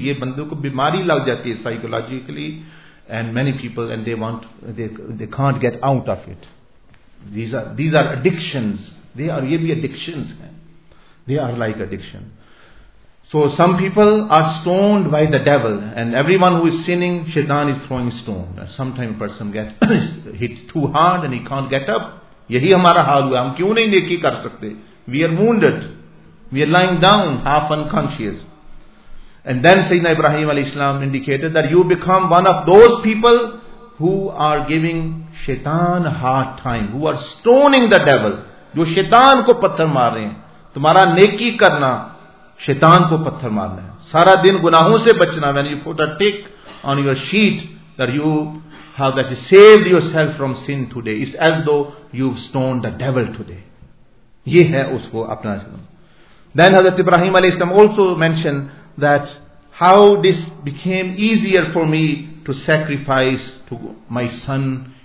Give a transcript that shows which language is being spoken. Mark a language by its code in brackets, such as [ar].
[ur] یہ بندوں کو بیماری لگ جاتی ہے [en] psychologically, and many people, and they want, they can't get out of it. These are addictions. They are, [ur] یہ بھی addictions ہیں. [en] They are like addiction. So some people are stoned by the devil, and everyone who is sinning, Shaitan is throwing stone. Sometimes a person gets hit too hard and he can't get up. [ur] یہی ہمارا حال ہوا, ہم کیوں نہیں نیکی کر سکتے. [en] We are wounded. We are lying down, half unconscious. And then Sayyidina Ibrahim alayhi salam indicated that you become one of those people who are giving Shaitan a hard time, who are stoning the devil. [ur] جو شیطان کو پتھر مار رہے ہیں. تمہارا نیکی کرنا شیطان کو پتھر مارنا ہے, سارا دن گناہوں سے بچنا. [en] When you put a tick on your sheet that you have that saved yourself from sin today, it's as though you've stoned the devil today. [ur] یہ ہے اس کو اپنا جنم. [en] Then Hazrat Ibrahim علیہ السلام also mentioned that how this became easier for me to sacrifice to my son.